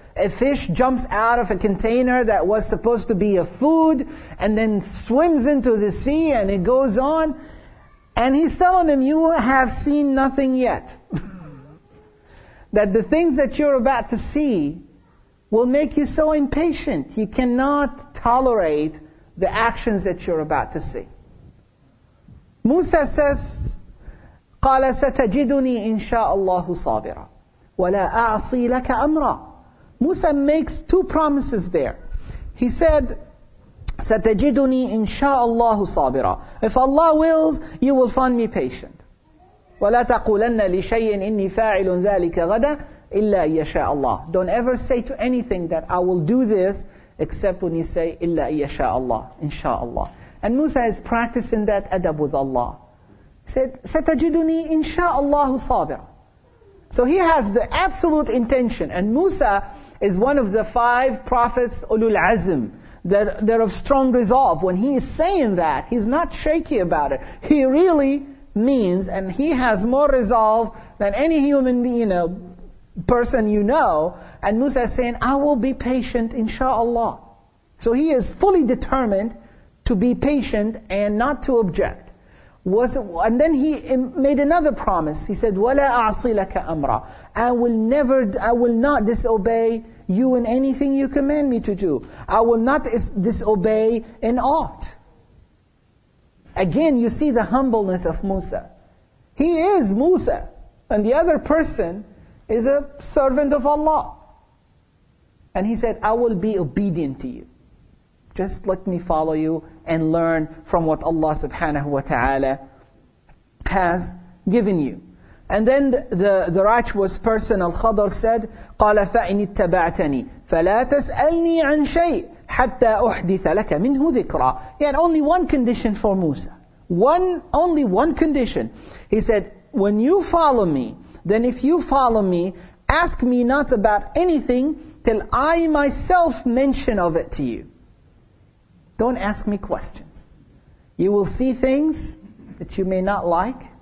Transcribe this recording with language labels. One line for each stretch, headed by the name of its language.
English: A fish jumps out of a container that was supposed to be a food and then swims into the sea and it goes on. And he's telling them, "You have seen nothing yet." That the things that you're about to see will make you so impatient. You cannot tolerate the actions that you're about to see. Musa says,
Arabic: قَالَ سَتَجِدُنِي إِن شَاءَ اللَّهُ صَابِرًا وَلَا أَعْصِي لَكَ أَمْرًا.
English: Musa makes two promises there. He said,
Arabic: سَتَجِدُنِي إِن شَاءَ اللَّهُ صَابِرًا.
English: If Allah wills, you will find me patient.
Arabic: وَلَا تَقُولَنَّ لِشَيْءٍ إِنِّي فَاعِلٌ ذَلِكَ غَدًا إِلَّا يَشَاءَ اللَّهُ.
English: Don't ever say to anything that I will do this, except when you say,
Arabic: إِلَّا يَشَاءَ اللَّهُ,
English: inshaAllah. And Musa is practicing that adab with Allah. He said,
Arabic: سَتَجِدُنِي إِن شَاءَ اللَّهُ صَابِرًا.
English: So he has the absolute intention. And Musa is one of the five prophets, أُلُو الْعَزْمِ. That they're of strong resolve. When he is saying that, he's not shaky about it. He really means, and he has more resolve than any human, person And Musa is saying, I will be patient, inshallah. So he is fully determined to be patient and not to object. And then he made another promise. He said,
Arabic: وَلَا أَعْصِي لَكَ أَمْرًا.
English: I will not disobey you in anything you command me to do. I will not disobey in aught. Again, you see the humbleness of Musa. He is Musa. And the other person is a servant of Allah. And he said, I will be obedient to you. Just let me follow you and learn from what Allah subhanahu wa ta'ala has given you. And then the righteous person, Al-Khadr, said,
Arabic: قَالَ فَإِنِ اتَّبَعْتَنِي فَلَا تَسْأَلْنِي عَنْ شَيْءٍ حَتَّى أُحْدِثَ لَكَ مِنْهُ ذِكْرًا.
English: He had only one condition for Musa. Only one condition. He said, when you follow me, then if you follow me, ask me not about anything till I myself mention of it to you. Don't ask me questions. You will see things that you may not like.